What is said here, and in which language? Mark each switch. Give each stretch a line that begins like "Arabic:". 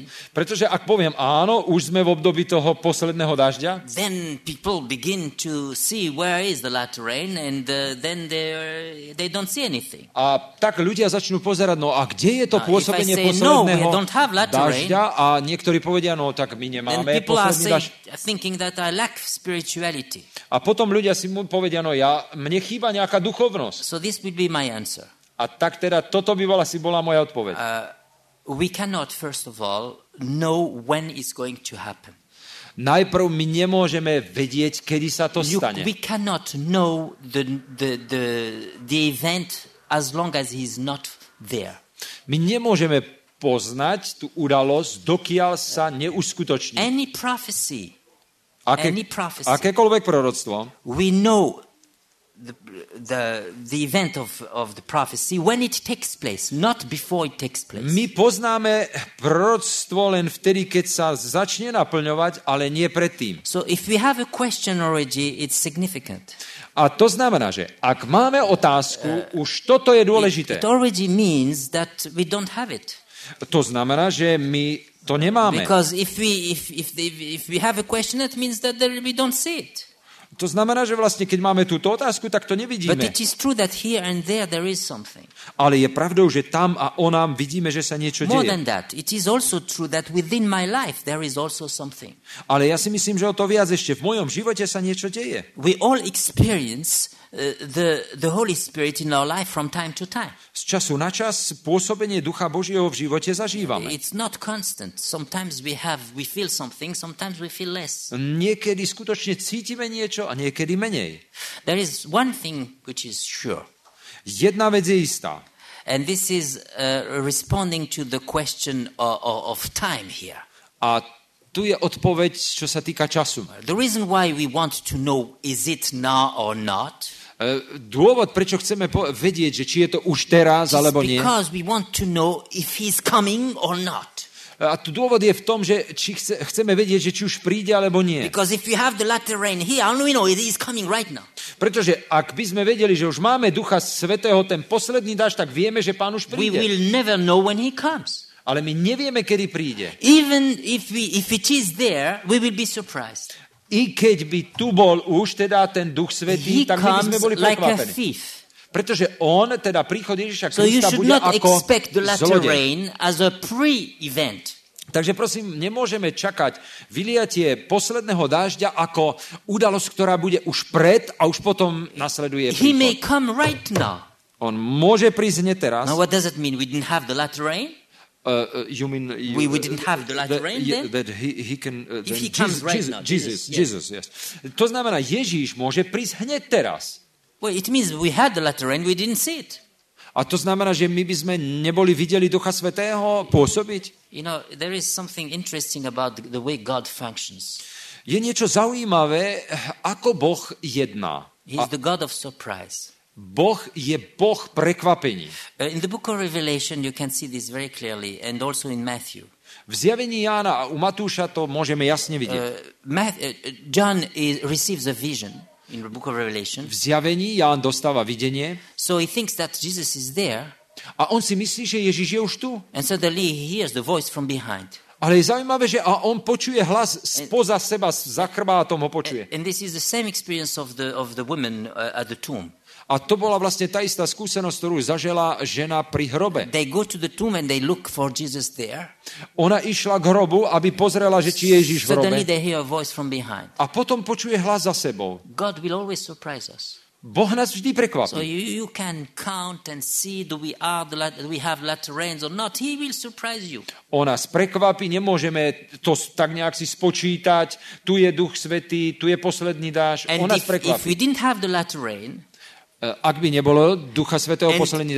Slovak: Pretože ak poviem áno, už sme v období toho posledného dážďa, a tak ľudia začnú pozerať, no a kde je to pôsobenie posledného dážďa? A niektorí povedia, no tak my nemáme.
English: People are saying, thinking that I lack spirituality.
Slovak: A potom ľudia si mu povedia, no ja, mne chýba nejaká duchovnosť.
English: So this would be my answer.
Slovak: A tak teda toto by bola si bola moja odpoveď.
English: We cannot, first of all, know when it's going to happen.
Slovak: Najprv my nemôžeme vedieť, kedy sa to stane.
English: We cannot know the event as long as he's not there.
Slovak: My nemôžeme poznať tú udalosť, dokiaľ sa neuskutoční.
English: Any prophecy.
Slovak: Akékoľvek proroctvo.
English: We know the event of the prophecy when it takes place, not before it takes place.
Slovak: My poznáme proroctvo len vtedy, keď sa začne naplňovať, ale nie predtým.
English: So if we have a question already, it's significant.
Slovak: A to znamená, že ak máme otázku, už toto je dôležité.
English: It already means that we don't have it.
Slovak: To znamená, že my to nemáme.
English: Because if we have a question, it means that we don't see it.
Slovak: To znamená, že vlastne, keď máme túto otázku, tak to nevidíme.
English: But it is true that here and there is something.
Slovak: Ale je pravdou, že tam a onám vidíme, že sa niečo deje.
English: More than that, it is also true that within my life there is also something.
Slovak: Ale ja si myslím, že o to viac ešte v mojom živote sa niečo deje.
English: We all experience the Holy Spirit in our life from time to time.
Slovak: Z času na čas pôsobenie Ducha Božieho v živote zažívame.
English: It's not constant. Sometimes we feel something, sometimes we feel less.
Slovak: Niekedy skutočne cítime niečo a niekedy menej.
English: There is one thing which is sure.
Slovak: Jedna vec je istá.
English: And this is responding to the question of time here.
Slovak: A tu je odpoveď, čo sa týka času.
English: The reason why we want to know is it now or not?
Slovak: Dôvod, prečo chceme vedieť, že či je to už teraz alebo nie.
English: Because we want to know if he's coming or not.
Slovak: A tu dôvod je v tom, že či chceme vedieť, že či už príde alebo nie.
English: Because if you have the latter rain here, all we know is he's coming right now.
Slovak: Pretože ak by sme vedeli, že už máme Ducha Svätého, ten posledný dáž, tak vieme, že Pán už príde.
English: We will never know when he comes.
Slovak: Ale my nevieme, kedy príde.
English: Even if it is there, we will be surprised.
Slovak: I keď by tu bol už teda ten Duch Svätý, tak my by sme boli prekvapení.
English: Like,
Slovak: pretože on, teda príchod Ježiša Krista,
English: so you should
Slovak: bude
English: not
Slovak: ako
English: expect the latter rain as a pre-event.
Slovak: Takže prosím, nemôžeme čakať vyliatie posledného dážďa ako udalosť, ktorá bude už pred a už potom nasleduje príchod.
English: He may come right now.
Slovak: On môže prísť hneď teraz.
English: Now what does it mean? We didn't have the latter rain? We didn't have the latter rain then. That he can. If he comes right now, Jesus.
Slovak: To znamená, Ježíš môže prísť hneď teraz.
English: Well, it means we had the latter rain, we didn't see it.
Slovak: A to znamená, že my by sme neboli videli Ducha Svätého pôsobiť.
English: You know, there is something interesting about the way God functions.
Slovak: Je niečo zaujímavé, ako Boh jedná.
English: He's the God of surprise.
Slovak: Boh je Boh prekvapení.
English: In the book of Revelation you can see this very clearly, and also in Matthew.
Slovak: V zjavení Jána a u Matúša to môžeme jasne vidieť.
English: John receives a vision in the book of Revelation.
Slovak: V zjavení Ján dostáva videnie.
English: So he thinks that Jesus is there.
Slovak: A on si myslí, že Ježiš je už tu.
English: And suddenly he hears the voice from behind.
Slovak: Ale je zaujímavé, že a on počuje hlas spoza seba, za chrbátom ho počuje.
English: And this is the same experience of the woman at the tomb.
Slovak: A to bola vlastne tá istá skúsenosť, ktorú zažila žena pri hrobe.
English: They go to the tomb and they look for Jesus there.
Slovak: Ona išla k hrobu, aby pozrela, že či je Ježiš v hrobe.
English: They hear a voice from behind.
Slovak: A potom počuje hlas za sebou.
English: God will always surprise us.
Slovak: Boh nás vždy prekvapí.
English: So you can count and see do we have latter rains or not. He will surprise you.
Slovak: On nás prekvapí, nemôžeme to tak nejak si spočítať. Tu je Duch Svätý, tu je posledný dáž.
English: And
Slovak: on nás prekvapí.
English: If we didn't have the latter rain,
Slovak: ak by nebolo Ducha Svätého posledný